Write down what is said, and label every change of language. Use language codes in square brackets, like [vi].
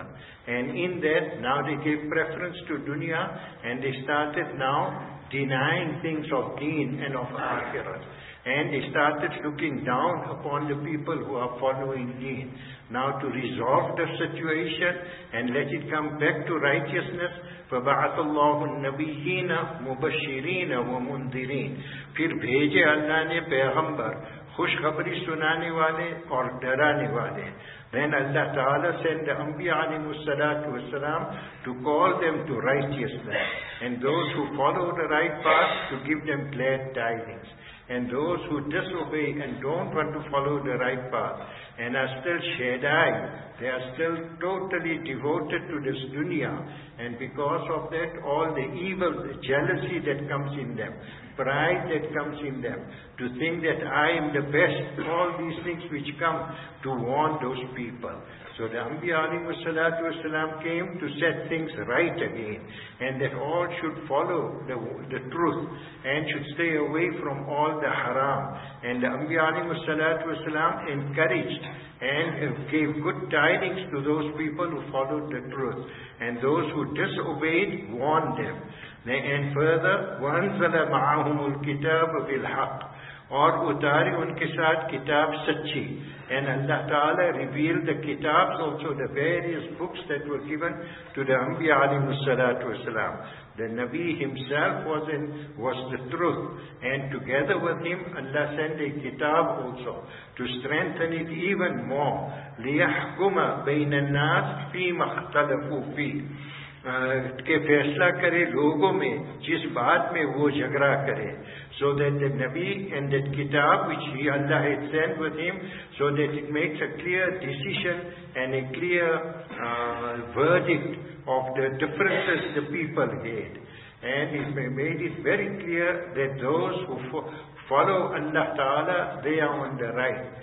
[en] And in that, now they gave preference to dunya, and they started now denying things of deen and of akhirat. And they started looking down upon the people who are following deen. Now to resolve the situation and let it come back to righteousness, [ar] فَبَعَثَ اللَّهُ النَّبِيِّينَ مُبَشِّرِينَ وَمُنْذِرِينَ. [ur] پھر بھیجے اللہ نے پیغمبر خوشخبری سنانے والے اور ڈرانے والے. [en] Then Allah Ta'ala sent the Anbiya alayhi salatu wasalam to call them to righteousness. And those who follow the right path, to give them glad tidings. And those who disobey and don't want to follow the right path and are still shedai, they are still totally devoted to this dunya. And because of that, all the evil, the jealousy that comes in them, pride that comes in them, to think that I am the best, all these things which come to warn those people. So the Anbiya alayhi salatu wasalam came to set things right again, and that all should follow the truth and should stay away from all the haram. And the Anbiya alayhi salatu wasalam encouraged and gave good tidings to those people who followed the truth. And those who disobeyed, warned them. And further, [ar] وَأَنزَلَ مَعَهُمُ الْكِتَابَ بِالْحَقِّ, [ur] اور اتارے ان کے ساتھ کتاب سچی. [en] And Allah Ta'ala revealed the kitabs, also the various books that were given to the Anbiya alayhi salatu wasalam. The Nabi himself was the truth. And together with him, Allah sent a kitab also to strengthen it even more. [ar] لِيَحْكُمَ بَيْنَ النَّاسِ فِي مَخْتَلَفُ فِي [ur] کے فیصلہ کرے لوگوں میں جس بات میں وہ جھگڑا کرے. [en] So that the Nabi and that kitab which he Allah had sent with him, so that it makes a clear decision and a clear verdict of the differences the people had. And it made it very clear that those who follow Allah Ta'ala, they are on the right.